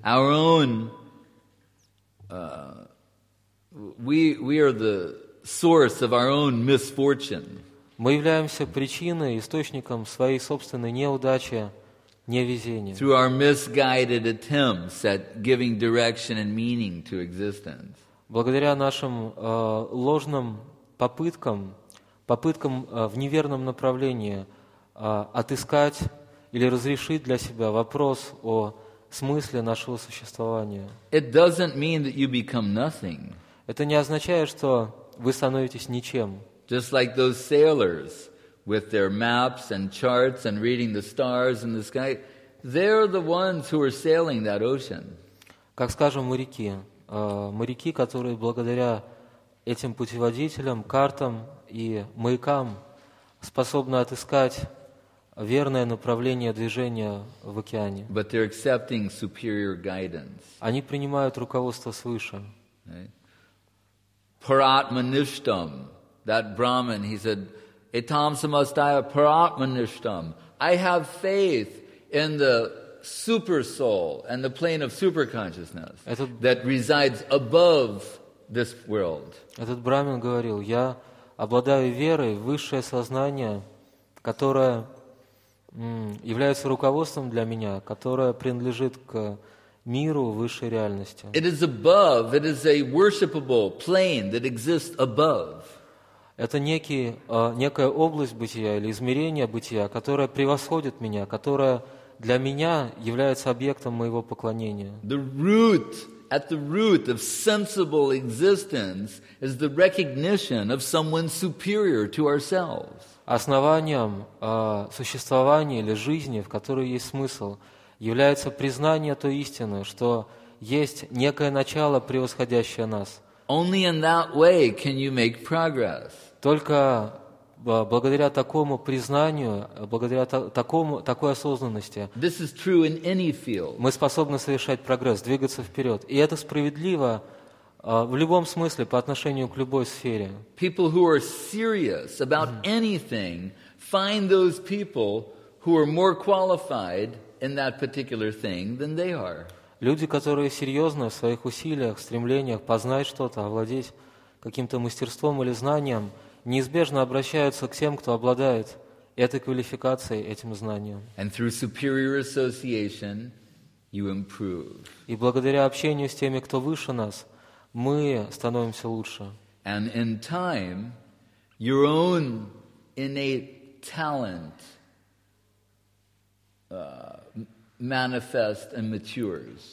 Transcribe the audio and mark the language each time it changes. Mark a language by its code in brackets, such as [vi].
[en] Our own, we are the source of our own misfortune. [ru] Мы являемся причиной, источником своей собственной неудачи, невезения. [en] Through our misguided attempts at giving direction and meaning to existence. [ru] Благодаря нашим ложным попыткам, в неверном направлении отыскать или разрешить для себя вопрос о смысле нашего существования. [en] It doesn't mean that you become nothing. [ru] Это не означает, что вы становитесь ничем. [en] Just like those sailors with their maps and charts and reading the stars in the sky, they're the ones who are sailing that ocean. [ru] Как скажем, моряки. Моряки, которые благодаря этим путеводителям, картам и маякам способны отыскать верное направление движения в океане. [en] But they're accepting superior guidance. [ru] Они принимают руководство свыше. [en] Paratmanishtam, that Brahmin, he said, [sa] Etam samastaya paratmanishtam. [en] I have faith in the super soul and the plane of super consciousness that resides above this world. [ru] Этот Брамин говорил, я обладаю верой в высшее сознание, которое является руководством для меня, которое принадлежит к миру высшей реальности. [en] It is above, it is a worshipable plane that exists above. [ru] Это некий, некая область бытия или измерение бытия, которое превосходит меня, которое для меня является объектом моего поклонения. [en] The root, at the root of sensible existence is the recognition of someone superior to ourselves. [ru] Основанием существования или жизни, в которой есть смысл, является признание той истины, что есть некое начало, превосходящее нас. [en] Only in that way can you make progress. [ru] Только благодаря такому признанию, благодаря такой осознанности, [en] this is true in any field. [ru] Мы способны совершать прогресс, двигаться вперед. И это справедливо в любом смысле по отношению к любой сфере. [en] People who are serious about anything find those people who are more qualified in that particular thing than they are. [ru] Люди, которые серьезны в своих усилиях, стремлениях познать что-то, овладеть каким-то мастерством или знанием, неизбежно обращаются к тем, кто обладает этой квалификацией, этим знанием. [en] And through superior association, you improve. [ru] И благодаря общению с теми, кто выше нас, мы становимся лучше. [en] And in time, your own innate talent manifests and matures.